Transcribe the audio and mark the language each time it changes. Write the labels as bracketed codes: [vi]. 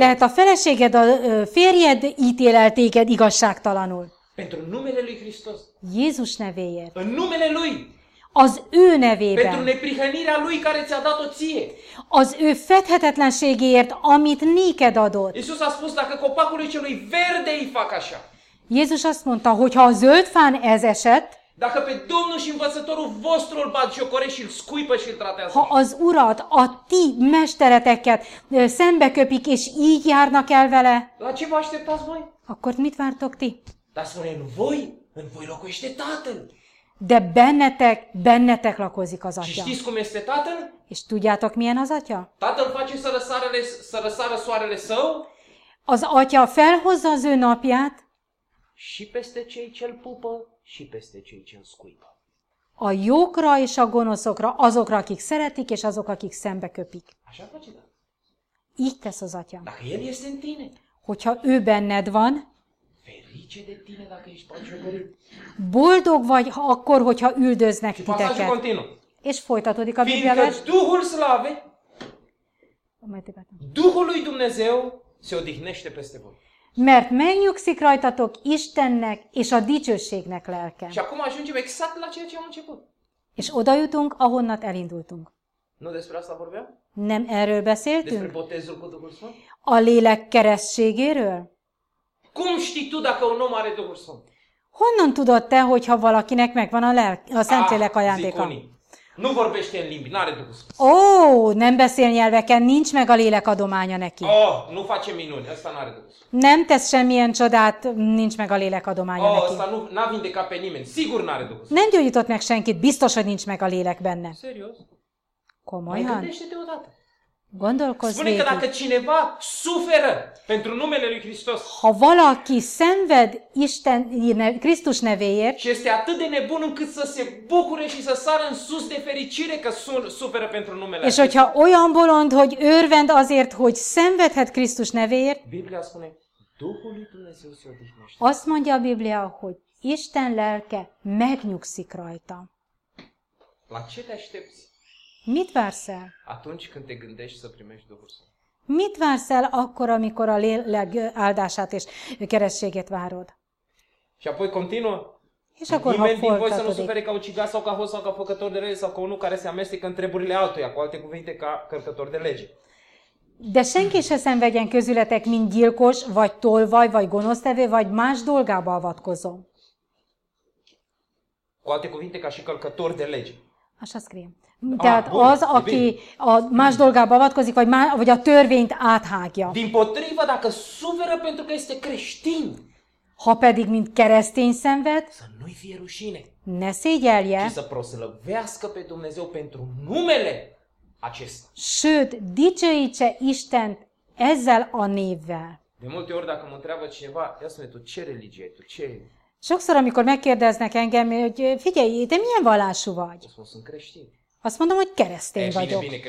[hu] Lehet, a feleséged, a férjed ítél el téged igazságtalanul. [ro] Pentru numele lui Hristos. [hu] Jézus nevéért. [ro] În numele lui. [hu] Az ő nevében. [ro] Pentru neprihănirea lui care ți-a dat-o ție. [hu] Az ő fedhetetlenségéért, amit néked adott. [ro] Iisus a spus, dacă copacului celui verde îi fac așa. [hu] Jézus azt mondta, hogy ha a zöld fán ez esett, [ro] dacă pe Domnul și învățătorul vostru îl bat jocorești și îl scuipă și îl tratează. [hu] Ha az urat, a ti mestereteket szembe köpik és így járnak el vele. [ro] La ce vă așteptați voi? [hu] Akkor mit vártok ti? [ro] Dar spune, în voi locuiește Tatăl. [hu] De bennetek lakozik az atya. [ro] Și știți cum este Tatăl? [hu] És tudjátok, milyen az atya? [ro] Tatăl face să răsară soarele său. [hu] Az atya felhozza az ő napját. [ro] Și peste cei ce-l pupă, și peste cei ce-l scuipă. [hu] A jókra és a gonoszokra, azokra, akik szeretik, és azok, akik szembe köpik. [ro] Așa faci, da? [hu] Így tesz az atya. [ro] Dacă el este în tine. [hu] Hogyha ő benned van. [ro] Ferice de tine, dacă ești bacsogorit. [hu] Boldog vagy akkor, hogyha üldöznek [ro] și [hu] titeket. [ro] Și continuu. [hu] És folytatódik a Biblia vers. [ro] Fiindcă Duhul Slavei, Duhul lui Dumnezeu se odihnește peste voi. [hu] Mert megnyugszik rajtatok Istennek és a dicsőségnek lelke. [ro] Și acum ajungem exact la ceea ce am început. [hu] És oda jutunk, ahonnan elindultunk. [ro] Nu despre asta vorbeam? [hu] Nem erről beszéltünk? [ro] Despre botezul cu Duhul Sfânt? [hu] A lélek keresztségéről? [ro] Cum știi tu dacă un om are Duhul Sfânt? [hu] Honnan tudod te, hogyha valakinek megvan a Szentlélek ajándéka? [ro] Zic unii. Nu vorbește în limbi, n-are Duhul Sfânt. [hu] Ó, nem beszél nyelveken, nincs meg a lélek adománya neki. [ro] Ó, nu face minuni, ăsta n-are Duhul Sfânt. [hu] Nem tesz semmilyen csodát, nincs meg a lélek adománya neki. [ro] Ó, ăsta n-a vindecat pe nimeni, sigur n-are Duhul Sfânt. [hu] Nem gyógyított meg senkit, biztos, hogy nincs meg a lélek benne. [ro] Serios? [hu] Komolyan? [ro] Gândește-te odată. [hu] Gondolkozz végig. [ro] Spune că dacă cineva suferă pentru numele lui Hristos. [hu] Ha valaki szenved Isten, Krisztus nevéért. [ro] Și este atât de nebun încât să se bucure și să sară în sus de fericire că suferă pentru numele [hu] Hristos. És hogyha olyan bolond, hogy örvend azért, hogy szenvedhet Krisztus nevéért. [ro] Biblia spune, Duhul lui Dumnezeu se odihnește. [hu] Azt mondja a Biblia, hogy Isten lelke megnyugszik rajta. [ro] La ce te aștepți? [hu] Mit vársz el? [ro] Atunci când te gândești să primești Duhul Sfânt. [hu] Mit vársz el akkor, amikor a lélek áldását és keresztségét várod? [ro] Și apoi continuă. [hu] És akkor ha folytatodik. [ro] Nimeni din voi să nu sufere ca ucigaș sau ca hoț sau ca făcător de lege sau ca unul care se amestecă în treburile altuia, cu alte cuvinte ca cărcător de lege. [hu] De senki se szenvedjen közületek, mint gyilkos, vagy tolvaj, vagy gonosztevő, vagy más dolgába avatkozó. [ro] Cu alte cuvinte, ca și călcător de lege. Așa scrie. [hu] Tehát az, aki a más dolgába avatkozik, vagy, más, vagy a törvényt áthágja. [ro] Dimpotrivă, dacă suferă pentru că este creștin. [hu] Ha pedig, mint keresztény szenved, [ro] să nu-i fie rușine, [hu] ne szégyelje, [ro] ci să proslăvească pe Dumnezeu pentru numele acesta. [hu] Sőt, dicsőítse Istent ezzel a névvel. [ro] De multe ori, dacă mă întreabă cineva, ia spune, tu ce religie ai, tu ce... [hu] Sokszor, amikor megkérdeznek engem, hogy figyelj, te milyen vallású vagy? Azt mondom, hogy keresztény vagyok.